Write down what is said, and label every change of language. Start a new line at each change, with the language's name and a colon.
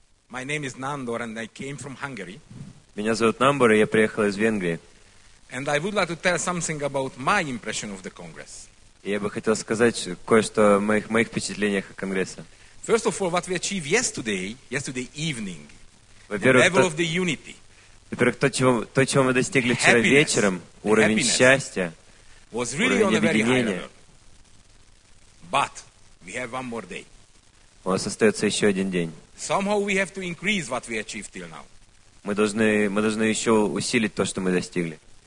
English: My name is Nándor and I came from Hungary.
Russian: Меня зовут Нандор, я приехал из Венгрии.
English: And I would like to tell something about my impression of the Congress.
Russian: Я бы хотел сказать кое-что о моих впечатлениях о Конгрессе.
English: First of all, what we achieved yesterday evening. The level of the unity.
Russian: Во-первых, то, чего мы достигли вчера вечером, уровень счастья.
English: Was really on a very high level. But we have one more day.
Russian: У нас остается еще один день.
English: Somehow we have to increase what we achieved till now.
Russian: Мы должны еще усилить то, что мы достигли.